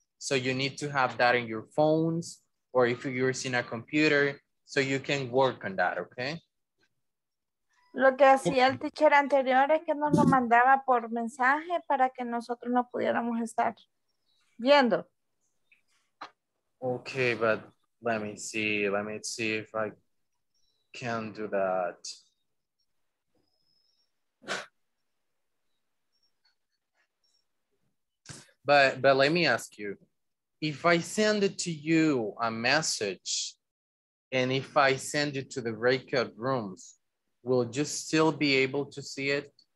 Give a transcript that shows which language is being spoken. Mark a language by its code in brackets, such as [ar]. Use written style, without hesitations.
[en] So you need to have that in your phones or if you're using a computer so you can work on that, okay? [es] Lo que hacía el teacher anterior es que nos lo mandaba por mensaje para que nosotros no pudiéramos estar viendo. [en] Okay, but let me see if I can do that. But let me ask you, if I send it to you a message, and if I send it to the breakout rooms, will you still be able to see it?